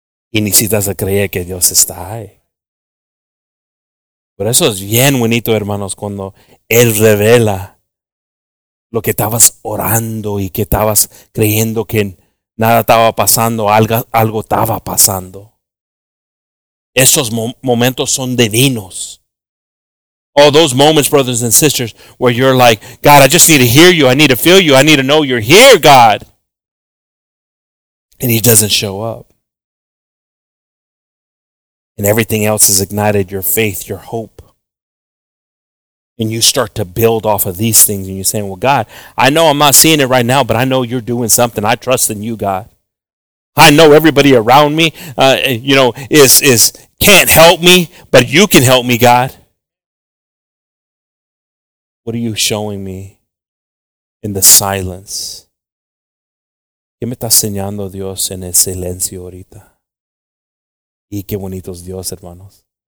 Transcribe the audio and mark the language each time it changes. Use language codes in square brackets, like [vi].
[es] Y necesitas creer que Dios está ahí. Por eso es bien bonito, hermanos, cuando Él revela lo que estabas orando y que estabas creyendo que nada estaba pasando, algo estaba pasando. Esos momentos son divinos. [en] Oh, those moments, brothers and sisters, where you're like, God, I just need to hear you. I need to feel you. I need to know you're here, God. And he doesn't show up. And everything else has ignited your faith, your hope. And you start to build off of these things. And you're saying, well, God, I know I'm not seeing it right now, but I know you're doing something. I trust in you, God. I know everybody around me, is can't help me, but you can help me, God. What are you showing me in the silence? [es] ¿Qué me está enseñando Dios en el silencio ahorita? Y qué bonitos Dios, hermanos.